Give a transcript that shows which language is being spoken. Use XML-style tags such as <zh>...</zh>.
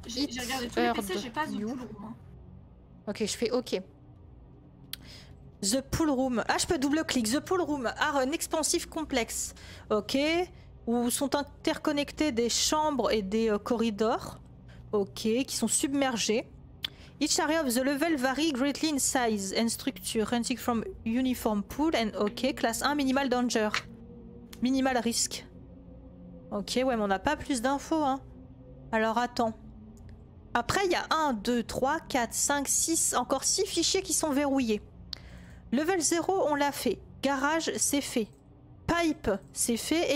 <fr>J'ai regardé tous les PC, j'ai pas The Pool Room. Hein. Ok, je fais ok. The Pool Room. Ah, je peux double-clic. The Pool Room. Art un expansif complexe. Ok. Où sont interconnectées des chambres et des corridors. Ok. Qui sont submergés.</fr> <en>Each area of the level varies greatly in size and structure, ranging from uniform pool and ok, class 1, minimal danger.</en> <fr>Minimal risque. Ok, ouais, mais on n'a pas plus d'infos, hein. Alors attends. Après, il y a 1, 2, 3, 4, 5, 6, encore 6 fichiers qui sont verrouillés. Level 0, on l'a fait. Garage, c'est fait. Pipe, c'est fait.</fr>